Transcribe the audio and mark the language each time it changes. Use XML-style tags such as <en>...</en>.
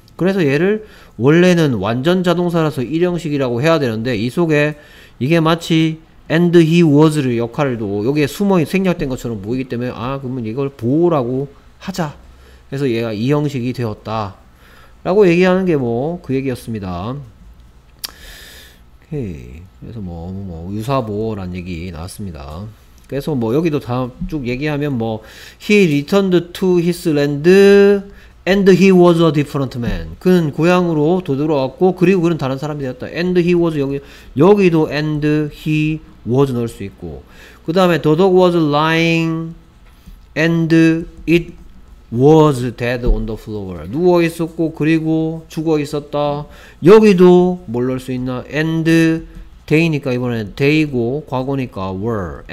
<ko>그래서 얘를 원래는 완전 자동사라서 일형식이라고 해야 되는데 이 속에 이게 마치</ko> <en>and he was</en> <ko>를 역할도 여기에 숨어 생략된 것처럼 보이기 때문에 아 그러면 이걸 보호라고 하자 해서 얘가 이형식이 되었다 라고 얘기하는 게뭐그 얘기였습니다. 오케이. 그래서 뭐 유사보호란 얘기 나왔습니다. 그래서 뭐 여기도 다쭉 얘기하면 뭐</ko> <en>he returned to his land And he was a different man.</en> <ko>그는 고향으로 되돌아왔고, 그리고 그는 다른 사람이 되었다.</ko> <en>And he was, 여기도 and he was</en> <ko>넣을 수 있고.</ko> <en>그 다음에 the dog was lying and it was dead on the floor.</en> <ko>누워 있었고, 그리고 죽어 있었다. 여기도 뭘 넣을 수 있나? And day니까 이번엔 day고, 과거니까 were.</ko>